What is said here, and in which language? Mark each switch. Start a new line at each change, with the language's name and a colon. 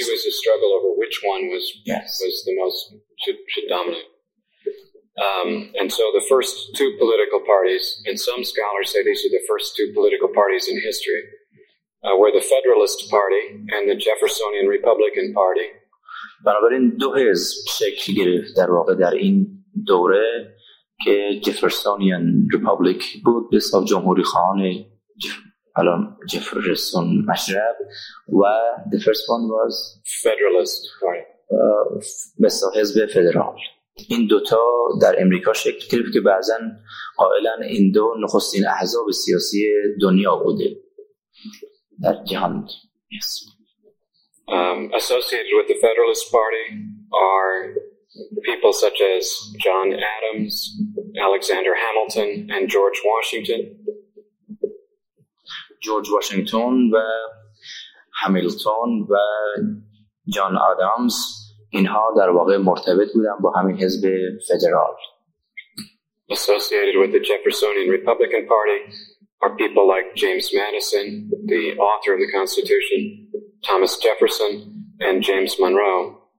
English: it was a struggle over which one was was the most should dominate. And so the first two political parties, and some scholars say these are the first two political parties in history, were the Federalist Party and the Jeffersonian Republican Party.
Persian: بنابراین دو حزب شکل گرفت در واقع در این دوره که جفرسونیان ریپابلیک بود، به حساب جمهوری خواهان الان جفرسون مشرب، و
English: the first one was Federalist Party.
Persian: مثلا حزب فدرال. این دوتا در امریکا شکل گرفت که بعضا قائلا این دو نخستین احزاب سیاسی دنیا بوده در جهان.
English: Yes. Associated with the Federalist Party are people such as John Adams, Alexander Hamilton and George Washington.
Persian: George Washington و همیلتون و جان آدامز، اینها در واقع مرتبط بودن با همین حزب فدرال.
English: Associated with the Jeffersonian Republican Party are people like James Madison, the author of the Constitution, Thomas Jefferson and James Monroe.